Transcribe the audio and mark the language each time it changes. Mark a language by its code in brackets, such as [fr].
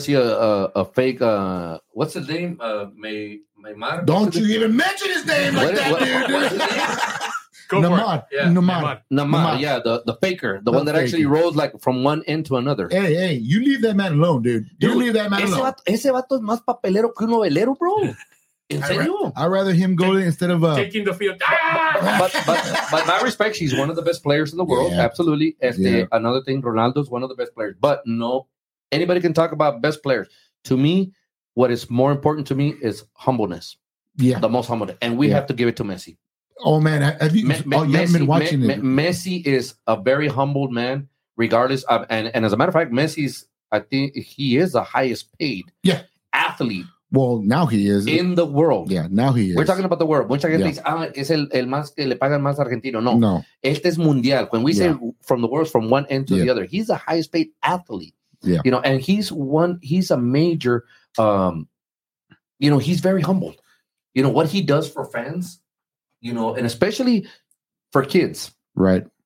[en] see a fake, what's his name? Don't you even mention his name like dude. Namar. Yeah, the faker. The one that actually rolls like from one end to another. Hey, hey, you leave that man alone, dude. You leave that man alone. [es] Ese vato es más papelero que un novelero, bro. ¿En serio? [en] I'd rather him go instead of taking the field. But my respect, she's one of the best players in the world. Yeah. Absolutely. Another thing, Ronaldo's one of the best players. But no, anybody can talk about best players. To me, what is more important to me is humbleness. Yeah. The most humble. And we have to give it to Messi. Oh, man. Messi is a very humbled man, regardless of. And as a matter of fact, he is the highest paid athlete. Well, now he is. In the world. Yeah, now he is. We're talking about the world. [es] Mucha gente dice, es el más que le pagan más argentino. No. No. Este es mundial. [en] When we say from the world, from one end to the other, he's the highest paid athlete. Yeah. You know, and he's a major, you know, he's very humbled. You know, what he does for fans, you know, and especially for kids. Right.